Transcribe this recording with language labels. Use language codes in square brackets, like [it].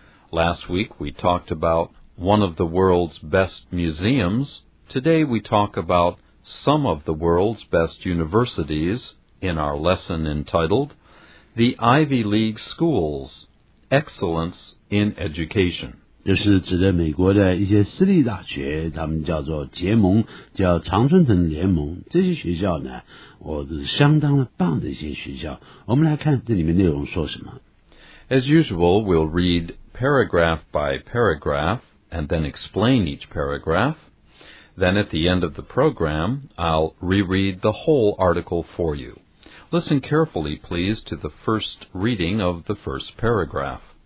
[en] Last week, we talked about one of the world's best museums. Today, we talk about some of the world's best universities in our lesson entitled The Ivy League Schools, Excellence in Education. [zh] 这是指的美国的一些私立大学，他们叫做结盟，叫常春藤联盟。这些学校呢，我是相当的棒的一些学校。我们来看这里面内容说什么。 [en] As usual, we'll read paragraph by paragraph and then explain each paragraph. Then at the end of the program, I'll reread the whole article for you. Listen carefully, please, to the first reading of the first paragraph.